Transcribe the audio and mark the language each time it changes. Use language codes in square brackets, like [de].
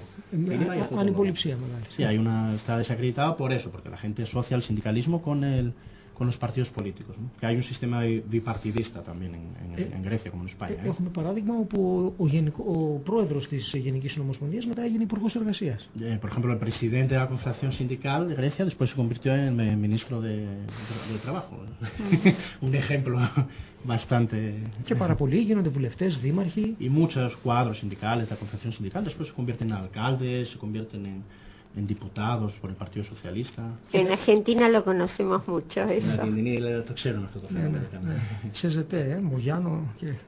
[es] Está desacreditado por eso, porque la gente asocia el sindicalismo con los partidos políticos. ¿No? Que hay un sistema bipartidista también en Grecia, como en España. [el] Έχουμε παράδειγμα όπου ο πρόεδρος της Γενικής Ομοσπονδίας μετά έγινε υπουργός εργασίας. [es] Por ejemplo, el presidente de la Confederación Sindical de Grecia después se convirtió en ministro de Trabajo. Un ejemplo bastante. [el] Και πάρα πολλοί γίνονται βουλευτές, δήμαρχοι. [es] Y muchos cuadros sindicales de la Confederación Sindical después se convierten en alcaldes, se convierten en diputados por el Partido Socialista. En Argentina lo conocemos mucho eso. En Argentina lo [el] ξέρουν αυτό το θέμα. CGT, Μογιάνο και.